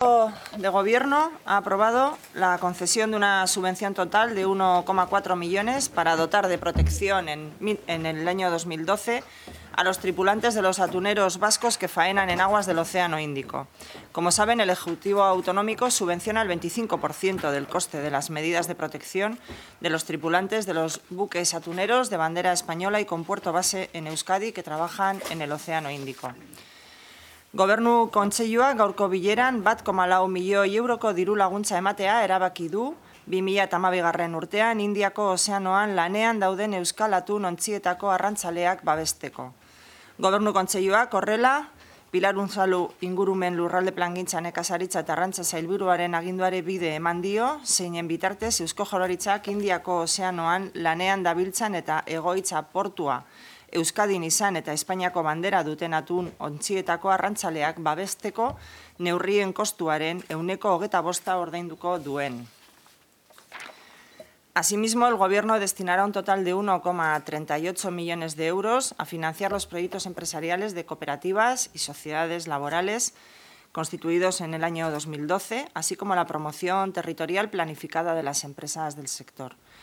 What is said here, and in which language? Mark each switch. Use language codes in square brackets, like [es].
[es] de Gobierno ha aprobado la concesión de una subvención total de 1,4 millones para dotar de protección en el año 2012 a los tripulantes de los atuneros vascos que faenan en aguas del Océano Índico. Como saben, el Ejecutivo Autonómico subvenciona el 25% del coste de las medidas de protección de los tripulantes de los buques atuneros de bandera española y con puerto base en Euskadi que trabajan en el Océano Índico. [eu] Gobernu Kontseiluak gaurko bileran 1,4 milioi euroko diru laguntza ematea erabaki du 2012 urtean Indiako ozeanoan lanean dauden euskal atun ontzietako arrantzaleak babesteko. Gobernu Kontseiluak horrela Pilar Unzalu ingurumen lurralde plangintza nekazaritza eta arrantza sailburuaren aginduare bide eman dio, zeinen bitartez Eusko Jaurlaritzak Indiako ozeanoan lanean dabiltzan eta egoitza portua Euskadin izan eta Espainiako bandera duten atun ontzietako arrantzaleak babesteko neurrien kostuaren 25% ordainduko duen. [es] Asimismo, el Gobierno destinará un total de 1,38 millones de euros a financiar los proyectos empresariales de cooperativas y sociedades laborales constituidos en el año 2012, así como la promoción territorial planificada de las empresas del sector.